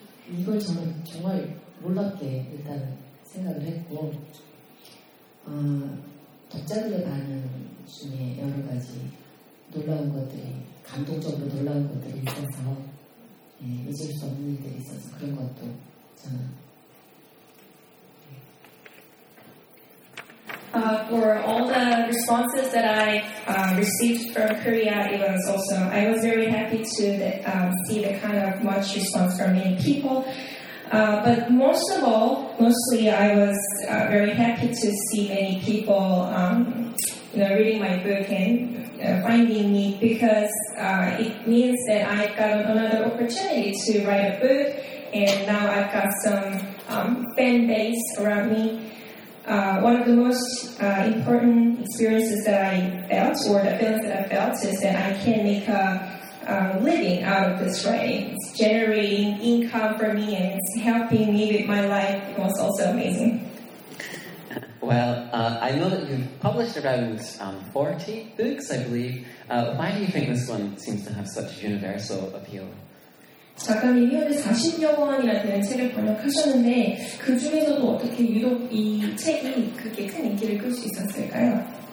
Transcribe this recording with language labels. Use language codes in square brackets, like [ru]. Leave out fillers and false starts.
[ko] 이걸 저는 정말 놀랍게 일단 생각을 했고 독자들의 반응 중에 여러 가지 놀라운 것들이 감동적으로 놀라운 것들이 있어서 잊을 수 없는 일들이 있어서 그런 것도 저는 [en] For all the responses that I received from Korea, it was also, I was very happy to see the kind of much response from many people. But most of all, mostly I was very happy to see many people, reading my book and finding me because it means that I've got another opportunity to write a book and now I've got some fan base around me. One of the most important experiences that I felt, or the feelings that I felt, is that I can make a living out of this writing. It's generating income for me and it's helping me with my life. It was also amazing. Well, I know that you've published around 40 books, I believe. Why do you think this one seems to have such universal appeal? [ko] 아까 미니언은 40여권이라 되는 책을 번역하셨는데 그 중에서도 어떻게 유독 이 책이 그렇게 큰 인기를 끌 수 있었을까요?